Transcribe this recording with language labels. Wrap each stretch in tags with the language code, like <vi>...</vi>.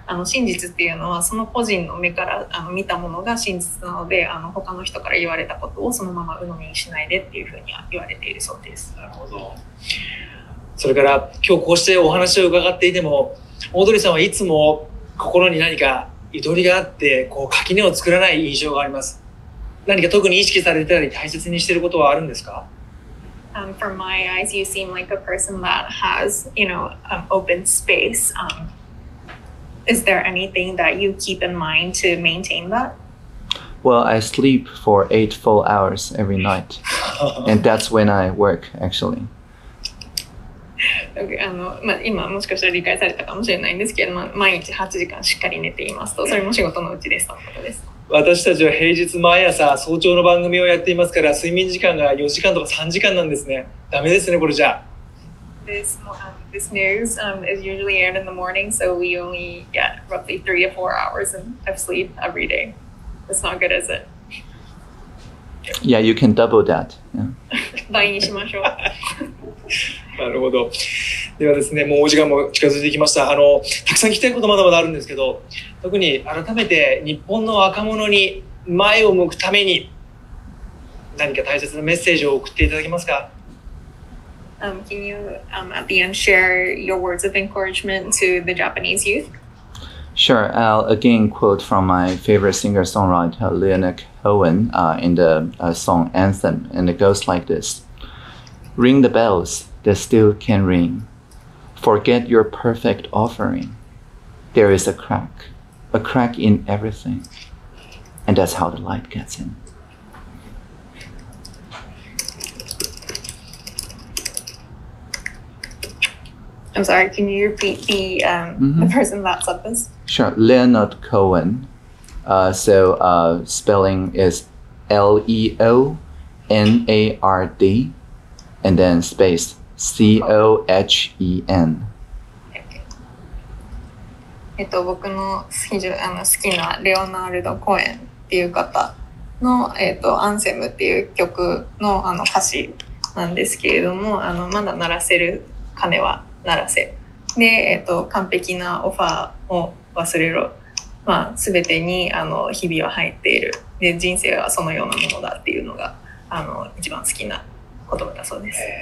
<ja>真実っていうのはその個人の目から見たものが真実なので、他の人から言われたことをそのまま鵜呑みにしないでっていうふうに言われているそうです。なるほど。それから今日こうしてお話を伺っていても、オードリーさんはいつも心に何かゆとりがあって、こう垣根を作らない印象があります。何か特に意識されてたり大切にしていることはあるんですか？</ja> <en>From my eyes, you seem like a person that has, you know, open space. Is there anything that you keep in mind to maintain that? Well, I sleep for 8 full hours every night. And that's when I work, actually.</en> <ja>Okay, まあ、今もしかしたら理解されたかもしれないんですけど、まあ、毎日8時間しっかり寝ていますと、それも仕事のうちですということです。私たちは平日毎朝早朝の番組をやっていますから、睡眠時間が4時間とか3時間なんですね。ダメですね、これじゃ。</ja> <en>This news is usually aired in the morning, so we only get roughly 3 or 4 hours of sleep every day. That's not good, is it? Yeah, you can double that.</en> <ja>倍にしましょう。なるほど。ではですね、もうお時間も近づいてきました。たくさん聞きたいことまだまだあるんですけど、特に改めて日本の若者に前を向くために何か大切なメッセージを送っていただけますか？</ja> <en>Can you, at the end, share your words of encouragement to the Japanese youth? Sure. I'll again quote from my favorite singer-songwriter, Leonard Cohen, in the song Anthem, and it goes like this. Ring the bells that still can ring. Forget your perfect offering. There is a crack in everything. And that's how the light gets in. I'm sorry, can you repeat the person that said this? Sure, Leonard Cohen. Spelling is L-E-O-N-A-R-D and then space C-O-H-E-N. Okay.</en> <ja>僕の非常に好きなレオナルド・コエンっていう方の、アンセムっていう曲 の, 歌詞なんですけれども、まだ鳴らせる鐘は鳴らせで、完璧なオファーを忘れろ、まあ、全てに日々は入っている、で人生はそのようなものだっていうのが一番好きな言葉だそうです。</ja>